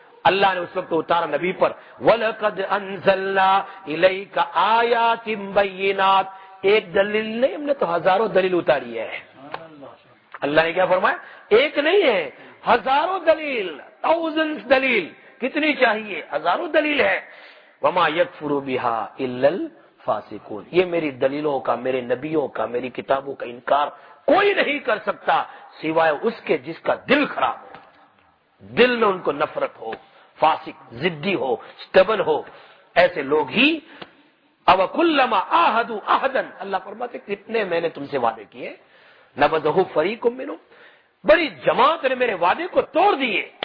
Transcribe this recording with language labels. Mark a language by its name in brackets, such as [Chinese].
[Urdu] اللہ نے اس وقت اتارا نبی پر [Arabic] وَلَقَدْ أَنزَلْنَا إِلَيْكَ آيَاتٍ بَيِّنَاتٍ. [Urdu] ایک دلیل نہیں، ہم نے تو ہزاروں دلیل اتاری ہے. اللہ نے کیا فرمایا؟ ایک نہیں ہے، ہزاروں دلیل، تھاؤزنڈ دلیل، کتنی چاہیے؟ ہزاروں دلیل ہے. [Arabic] وما یکفر بها الا الفاسقون. [Urdu] یہ میری دلیلوں کا، میرے نبیوں کا، میری کتابوں کا انکار کوئی نہیں کر سکتا سوائے اس کے جس کا دل خراب ہو، دل میں ان کو نفرت ہو، فاسق، ضدی ہو، سٹبل ہو، ایسے لوگ ہی. اب [Arabic] کلما عاهدوا عهدا، [Urdu] اللہ فرماتے کتنے میں نے تم سے وعدے کیے، [Arabic] نبذہ فریق منہم، [Urdu] بڑی جماعت نے میرے وعدے کو توڑ دیے.